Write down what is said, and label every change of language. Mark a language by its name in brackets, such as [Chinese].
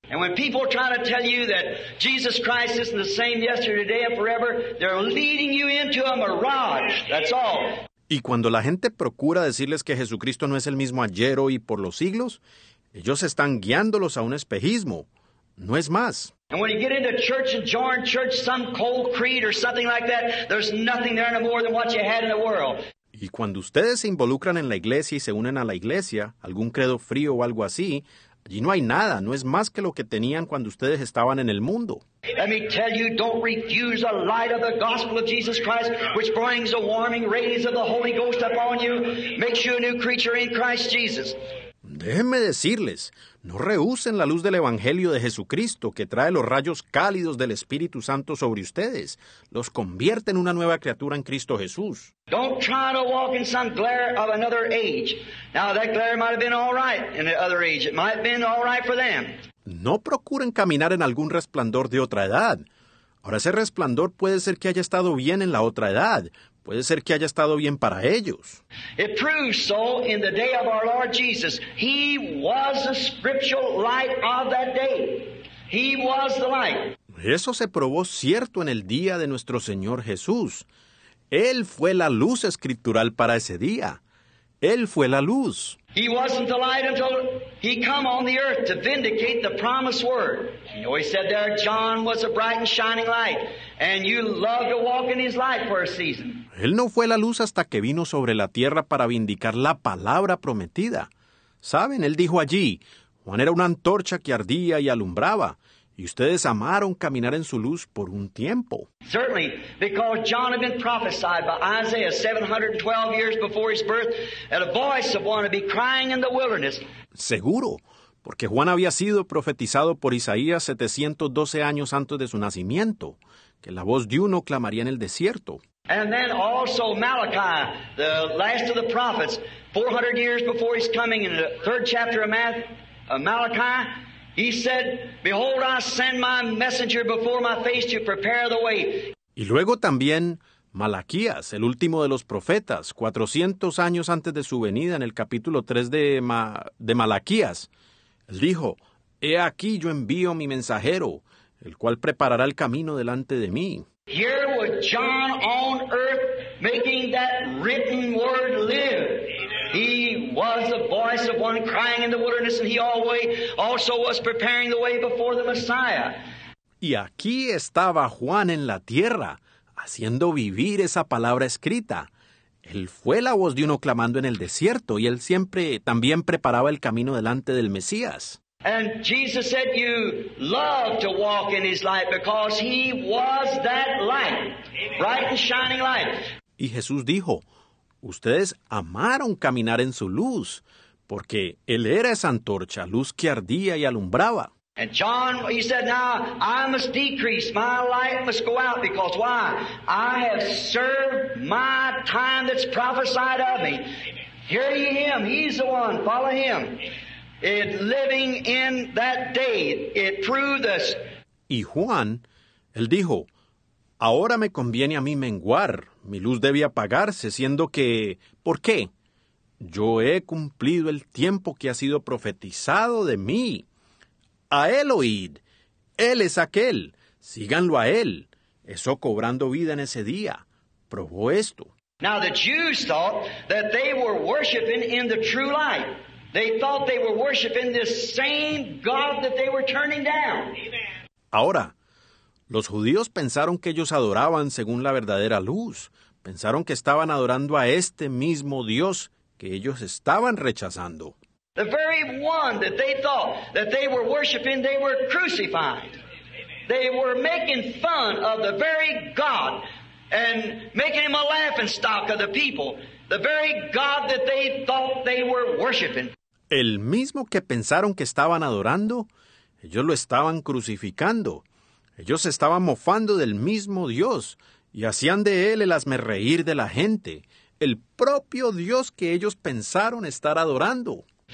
[English] And when people try to tell you that Jesus Christ isn't the same yesterday, today, and forever, they're leading you into a mirage. That's all. [Spanish] Y cuando la gente procura decirles que Jesucristo no es el mismo ayer, hoy y por los siglos, ellos están guiándolos a un espejismo. No es más. [English] And when you get into church and join church, some cold creed or something like that, there's nothing there no more than what you had in the world. [Spanish] Y cuando ustedes se involucran en la iglesia y se unen a la iglesia, algún credo frío o algo así, allí no hay nada, no es más que lo que tenían cuando ustedes estaban en el mundo. [English] Let me tell you, don't refuse the light of the gospel of Jesus Christ, which brings the warming rays of the Holy Ghost upon you, makes you a new creature in Christ Jesus. [Spanish] Déjenme decirles, no rehúsen la luz del Evangelio de Jesucristo que trae los rayos cálidos del Espíritu Santo sobre ustedes. Los convierte en una nueva criatura en Cristo Jesús. [English] Don't try to walk in some glare of another age. Now that glare might have been all right in the other age. It might have been all right for them. [Spanish] No procuren caminar en algún resplandor de otra edad. Ahora ese resplandor puede ser que haya estado bien en la otra edad. Puede ser que haya estado bien para ellos. [English] It proves so in the day of our Lord Jesus. He was the scriptural light of that day. He was the light. [Spanish] Eso se probó cierto en el día de nuestro Señor Jesús. Él fue la luz escritural para ese día. Él fue la luz. [English] He wasn't the light until he came on the earth to vindicate the promised word. You know, he said there, John was a bright and shining light, and you love to walk in his light for a season. [Spanish] Él no fue la luz hasta que vino sobre la tierra para vindicar la palabra prometida. ¿Saben? Él dijo allí, Juan era una antorcha que ardía y alumbraba, y ustedes amaron caminar en su luz por un tiempo. [English] Certainly, because John had been prophesied by Isaiah 712 years before his birth, at a voice of one to be crying in the wilderness. [Spanish] Seguro, porque Juan había sido profetizado por Isaías 712 años antes de su nacimiento, que la voz de uno clamaría en el desierto. [English] And then also Malachi, the last of the prophets, 400 years before his coming, in the third chapter of Malachi, he said, "Behold, I send my messenger before my face to prepare the way." [Spanish] Y luego también Malaquías, el último de los profetas, 400 años antes de su venida, en el capítulo 3 de Malaquías, él dijo, "He aquí yo envío mi mensajero, el cual preparará el camino delante de mí." [English] Here was John on earth making that written word live. He was the voice of one crying in the wilderness, and he also was preparing the way before the Messiah. [Spanish] Y aquí estaba Juan en la tierra, haciendo vivir esa palabra escrita. Él fue la voz de uno clamando en el desierto, y él siempre también preparaba el camino delante del Mesías. [English] And Jesus said, "You love to walk in His light because He was that light, bright and shining light." [Spanish] Y Jesús dijo, "Ustedes amaron caminar en su luz porque Él era esa antorcha, luz que ardía y alumbraba." [English] And John, he said, "Now I must decrease; my light must go out because why? I have served my time that's prophesied of me." Hear ye Him; He's the one. Follow Him. It living in that day, it proved us. [Spanish] Y Juan, él dijo, ahora me conviene a mí menguar, mi luz debe apagarse, siendo que, ¿por qué? Yo he cumplido el tiempo que ha sido profetizado de mí. A él oíd, él es aquel, síganlo a él. Eso cobrando vida en ese día, probó esto. [English] Now the Jews thought that they were worshiping in the true light. They thought they were worshiping this same God that they were turning down. [Spanish] Ahora, los judíos pensaron que ellos adoraban según la verdadera luz. Pensaron que estaban adorando a este mismo Dios que ellos estaban rechazando. [English] The very one that they thought that they were worshiping, they were crucified. They were making fun of the very God and making him a laughing stock of the people. The very God that they thought they were worshiping. [Spanish] El mismo que pensaron que estaban adorando, ellos lo estaban crucificando. Ellos estaban mofando del mismo Dios y hacían de él el hazmerreír de la gente, el propio Dios que ellos pensaron estar adorando.